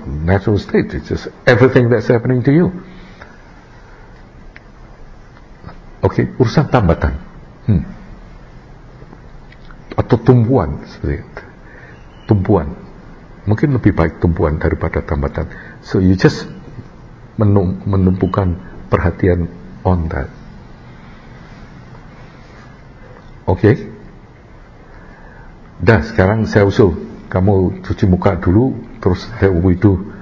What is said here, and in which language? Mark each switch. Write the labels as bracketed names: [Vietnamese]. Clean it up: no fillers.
[English] Natural state, it's just everything that's happening to you. [Indonesian] Okay, urusan tambatan atau tumpuan, seperti itu. Tumpuan mungkin lebih baik, tumpuan daripada tambatan. [English] So you just [Indonesian] menumpukan perhatian [English] on that. [Indonesian] Okay. Dah, sekarang saya usul kamu cuci muka dulu, terus saya wudu.